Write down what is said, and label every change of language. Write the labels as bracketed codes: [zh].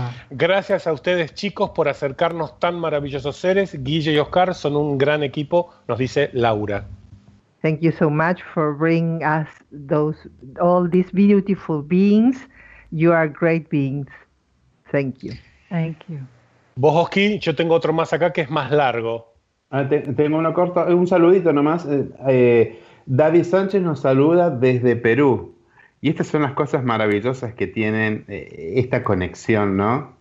[es] Gracias a ustedes, chicos, por acercarnos tan maravillosos seres. Guille y Oscar son un gran equipo, nos dice Laura. [en] Thank you so much for bringing us all these beautiful beings. You are great beings. Thank you. Thank you. [es] Vos, Oski, yo tengo otro más acá que es más largo. Tengo uno corto, un saludito nomás. David Sánchez nos saluda desde Perú. Y estas son las cosas maravillosas que tienen esta conexión, ¿no?